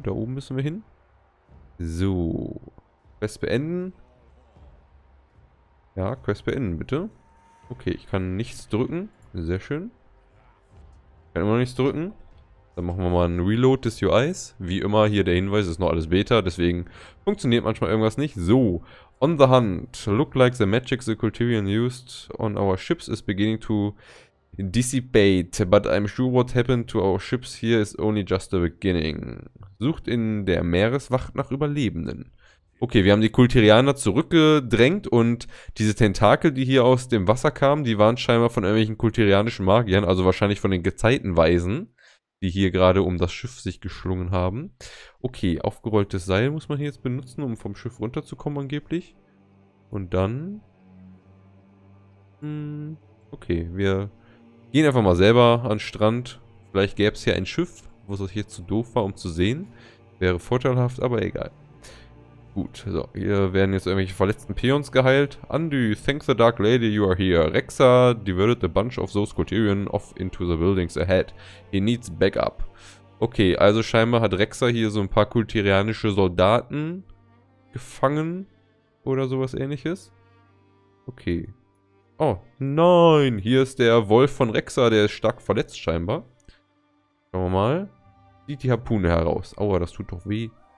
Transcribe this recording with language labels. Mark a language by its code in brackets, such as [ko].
[de] Da oben müssen wir hin. So. Quest beenden. Ja, Quest beenden, bitte. Okay, ich kann nichts drücken. Sehr schön. Ich kann immer noch nichts drücken. Dann machen wir mal einen Reload des UIs. Wie immer hier der Hinweis, ist noch alles Beta, deswegen funktioniert manchmal irgendwas nicht. [en] So, on the hunt. Look like the magic the Kulturian used on our ships is beginning to dissipate. But I'm sure what happened to our ships here is only just the beginning. [de] Sucht in der Meereswacht nach Überlebenden. Okay, wir haben die Kulturianer zurückgedrängt und diese Tentakel, die hier aus dem Wasser kamen, die waren scheinbar von irgendwelchen kulturianischen Magiern, also wahrscheinlich von den Gezeitenweisen. Die hier gerade um das Schiff sich geschlungen haben. Okay, aufgerolltes Seil muss man hier jetzt benutzen, um vom Schiff runterzukommen angeblich. Und dann... okay, wir gehen einfach mal selber an den Strand. Vielleicht gäbe es hier ein Schiff, wo es jetzt zu doof war, um zu sehen. Wäre vorteilhaft, aber egal. Gut, so, hier werden jetzt irgendwelche verletzten Peons geheilt. [en] Andy, thank the Dark Lady, you are here. Rexxar diverted a bunch of those Kulturian off into the buildings ahead. He needs backup. [de] Okay, also scheinbar hat Rexxar hier so ein paar kulturianische Soldaten gefangen oder sowas ähnliches. Okay. Oh, nein, hier ist der Wolf von Rexxar, der ist stark verletzt scheinbar. Schauen wir mal. Sieht die Harpune heraus. Aua, das tut doch weh.